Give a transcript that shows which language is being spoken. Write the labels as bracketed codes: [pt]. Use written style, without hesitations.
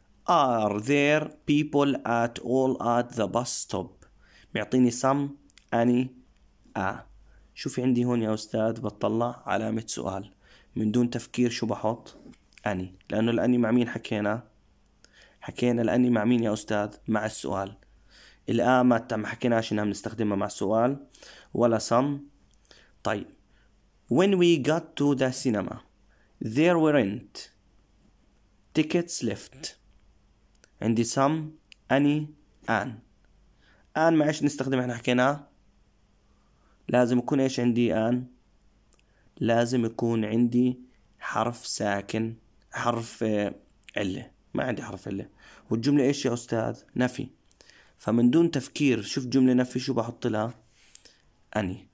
[en] Are there people at all at the bus stop؟ [ar] معطيني سم اني ا. شوفي عندي هون يا أستاذ بتطلع علامة سؤال، من دون تفكير شو بحط؟ أني، لأنه الأني مع مين حكينا؟ حكينا الأني مع مين يا أستاذ؟ مع السؤال. الآ ما حكيناش إنها بنستخدمها مع السؤال ولا سم. [en] طيب When we got to the cinema there weren't tickets left. [ar] عندي سم أني آن. آن مع إيش نستخدم إحنا حكينا؟ لازم يكون ايش عندي الآن؟ لازم يكون عندي حرف ساكن، حرف علة، ما عندي حرف علة. والجملة ايش يا أستاذ؟ نفي. فمن دون تفكير شوف جملة نفي شو بحط لها؟ أني.